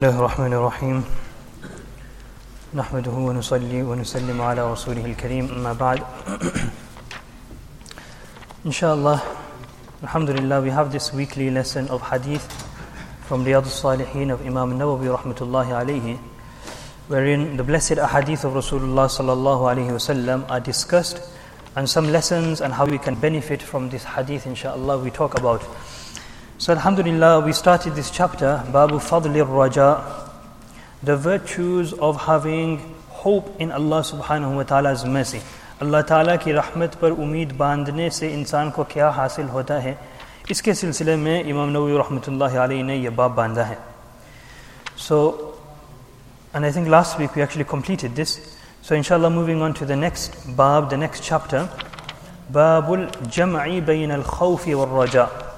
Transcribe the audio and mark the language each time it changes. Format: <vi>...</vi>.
<ar>الله الرحمن الرحيم نحمده ونصلي ونسلم على رسوله الكريم أما بعد إن شاء الله الحمد لله</ar> <en>we have this weekly lesson of hadith from رياض الصالحين of Imam Nawawi رحمة الله عليه wherein the blessed hadith of Rasulullah صلى الله عليه وسلم are discussed and some lessons and how we can benefit from this hadith إن شاء الله we talk about. So alhamdulillah, we started this chapter, Babu Fadlir Raja, the virtues of having hope in Allah subhanahu wa ta'ala's mercy.</en> <ur>اللہ تعالیٰ کی رحمت پر امید باندھنے سے انسان کو کیا حاصل ہوتا ہے؟ اس کے سلسلے میں امام نووی رحمۃ اللہ علیہ نے یہ باب باندھا ہے.</ur> <en>So, and I think last week we actually completed this. So inshallah, moving on to the next bab, the next chapter, Babul Jam'i Bayn Al-Khawfi Wal-Raja.</en>